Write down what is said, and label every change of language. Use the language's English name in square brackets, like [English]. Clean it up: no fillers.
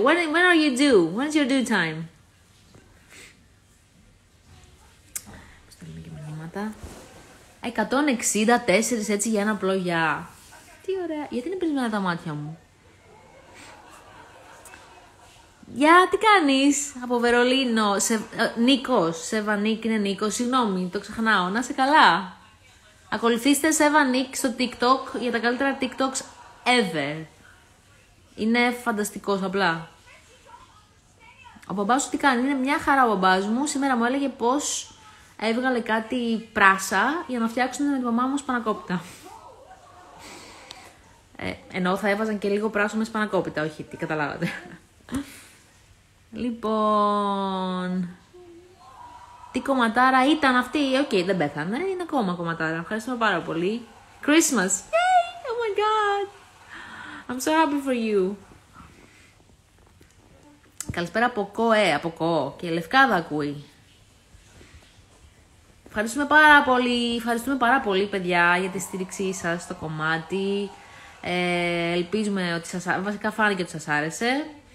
[English] When are you due, when is your due time. [Greek] Πώς θα λέμε και μηνύματα. 164 έτσι για ένα απλό γεια. Τι ωραία. Γιατί είναι πρισμένα τα μάτια μου. Γεια, τι κάνεις, από Βερολίνο, Νίκος, Σέβα Νίκ είναι Νίκος, συγγνώμη, το ξεχνάω, να είσαι καλά. Ακολουθήστε Σέβα Νίκ στο TikTok για τα καλύτερα TikToks ever. Είναι φανταστικός απλά. Ο μπαμπάς σου τι κάνει, είναι μια χαρά ο μπαμπάς μου, σήμερα μου έλεγε πως έβγαλε κάτι πράσα για να φτιάξουν με τη μαμά μου σπανακόπιτα. Ενώ θα έβαζαν και λίγο πράσο με σπανακόπιτα, όχι, τι καταλάβατε. Λοιπόν, τι κομματάρα ήταν αυτή, okay, δεν πέθανε, είναι ακόμα κομματάρα, ευχαριστούμε πάρα πολύ. [English] Christmas, yay, oh my god, I'm so happy for you. [Greek] Καλησπέρα από ΚΟΕ, από ΚΟΟ και Λευκάδα ακούει. Ευχαριστούμε πάρα πολύ, ευχαριστούμε πάρα πολύ παιδιά για τη στήριξή σας στο κομμάτι. Ελπίζουμε ότι σας, βασικά φάνηκε ότι σας άρεσε.